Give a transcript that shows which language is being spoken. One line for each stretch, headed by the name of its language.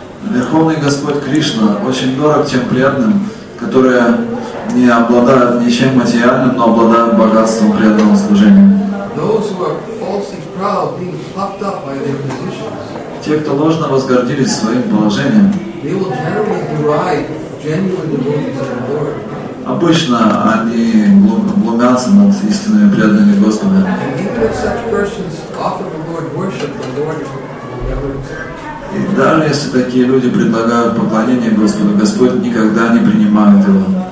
Russian: Верховный Господь Кришна очень дорог тем преданным, которые не обладают ничем материальным, но обладают богатством преданного служения.
English: Those who are falsely proud, being puffed up by their positions.
Russian: Те, кто ложно возгордились своим положением,
English: they will generally deride genuine devotees of the Lord.
Russian: Обычно они глумятся над истинными преданными Господа. И даже если такие люди предлагают поклонение Господу, Господь никогда не принимает его.